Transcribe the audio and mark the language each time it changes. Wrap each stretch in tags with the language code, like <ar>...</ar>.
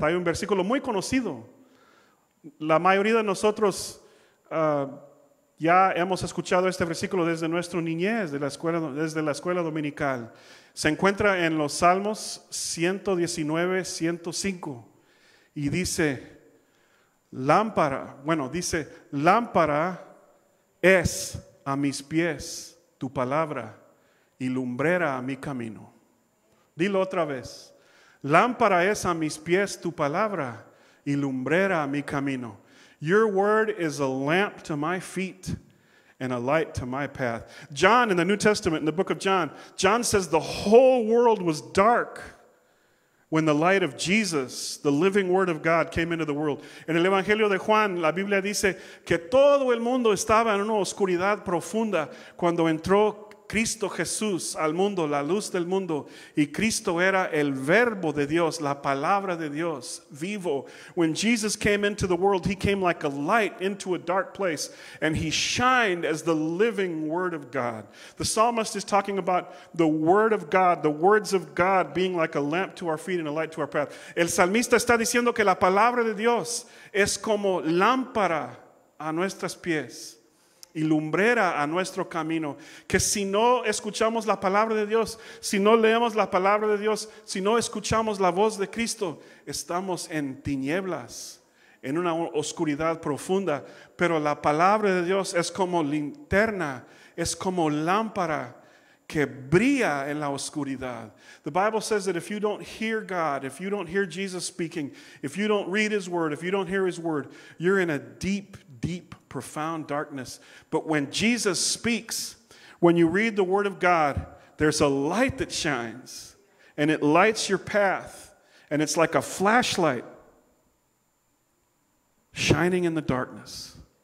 <es>Hay un versículo muy conocido. La mayoría de nosotros ya hemos escuchado este versículo desde nuestra niñez, desde la escuela dominical. Se encuentra en los Salmos 119, 105. Y dice, lámpara es a mis pies tu palabra y lumbrera a mi camino. Dilo otra vez. Lámpara es a mis pies tu palabra y lumbrera a mi camino.</es> <en>Your word is a lamp to my feet and a light to my path. John, in the New Testament, in the book of John, John says the whole world was dark when the light of Jesus, the living word of God, came into the world.</en> <es>En el Evangelio de Juan, la Biblia dice que todo el mundo estaba en una oscuridad profunda cuando entró Cristo Jesús al mundo, la luz del mundo, y Cristo era el verbo de Dios, la palabra de Dios, vivo.</es> <en>When Jesus came into the world, he came like a light into a dark place, and he shined as the living word of God. The psalmist is talking about the word of God, the words of God being like a lamp to our feet and a light to our path.</en> <es>El salmista está diciendo que la palabra de Dios es como lámpara a nuestros pies y lumbrera a nuestro camino. Que si no escuchamos la palabra de Dios, si no leemos la palabra de Dios, si no escuchamos la voz de Cristo, estamos en tinieblas, en una oscuridad profunda. Pero la palabra de Dios es como linterna, es como lámpara que brilla en la oscuridad.</es> <en>The Bible says that if you don't hear God, if you don't hear Jesus speaking, if you don't read his word, if you don't hear his word, you're in a deep, deep, profound darkness. But when Jesus speaks, when you read the word of God, there's a light that shines and it lights your path, and it's like a flashlight shining in the darkness.</en>